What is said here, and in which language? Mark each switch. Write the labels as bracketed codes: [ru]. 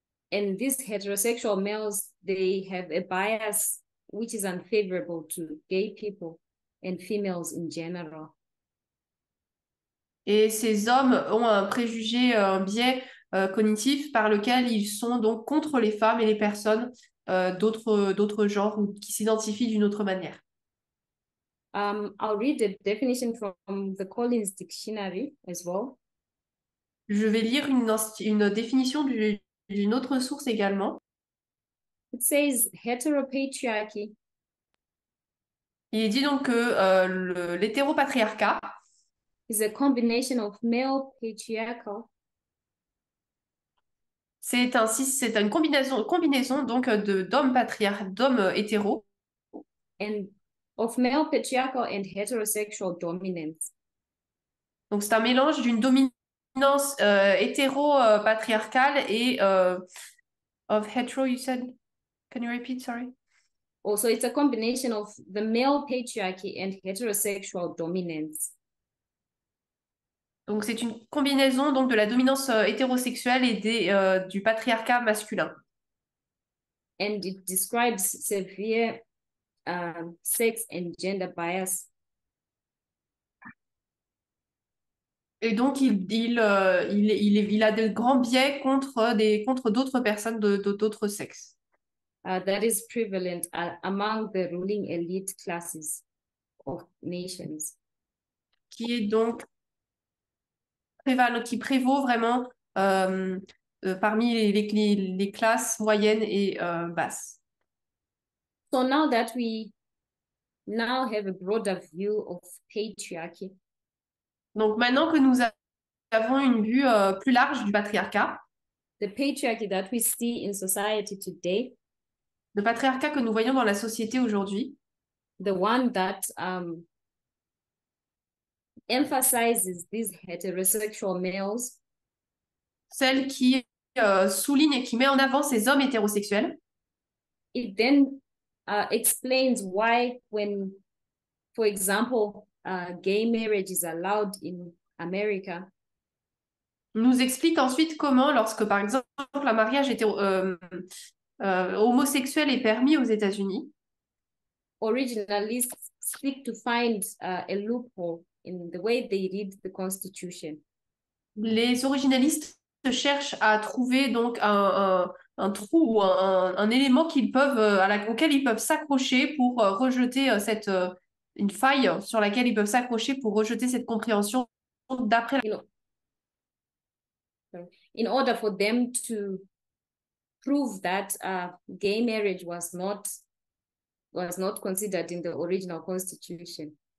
[en] And these heterosexual males, they have a bias which is unfavorable to gay people. And females in general. [fr] Et ces hommes ont un préjugé, un biais cognitif par lequel ils sont donc contre les femmes et les personnes d'autres genres ou qui s'identifient d'une autre manière. [en] I'll read the definition from the Collins Dictionary as well. [fr] Je vais lire une définition d'une autre source également. [en] It says heteropatriarchy. [fr] Il est dit donc que l'hétéropatriarcat [en] Is a combination of male patriarchal. [fr] c'est une combinaison donc d'hommes hétéros [en] And of male patriarchal and heterosexual dominance. [fr] donc c'est un mélange d'une dominance hétéro-patriarcale et [en] of hetero you said can you repeat sorry Also, it's a combination of the male patriarchy and heterosexual dominance. [fr] Donc, c'est une combinaison donc, de la dominance hétérosexuelle et du patriarcat masculin. [en] And it describes severe sex and gender bias. [fr] Et donc, il a de grands biais contre d'autres personnes d'autres sexes. [en] That is prevalent among the ruling elite classes of nations. [fr] Qui est donc qui prévaut vraiment parmi les classes moyennes et basses. [en] So now that we now have a broader view of patriarchy, [fr] Donc maintenant que nous avons une vue plus large du patriarcat, [en] the patriarchy that we see in society today, [fr] le patriarcat que nous voyons dans la société aujourd'hui, [en] the one that emphasizes these heterosexual males. [fr] celle qui souligne et qui met en avant ces hommes hétérosexuels. [en] It then explains why, when, for example, gay marriage is allowed in America. [fr] Nous explique ensuite comment, lorsque par exemple un mariage homosexuel est permis aux États-Unis, [en] Originalists seek to find a loophole in the way they read the Constitution. [fr] les originalistes cherchent à trouver donc un trou ou un élément auquel ils peuvent s'accrocher pour rejeter une faille sur laquelle ils peuvent s'accrocher pour rejeter cette compréhension d'après la... [en] In order for them to prove that gay marriage was not considered in the original constitution.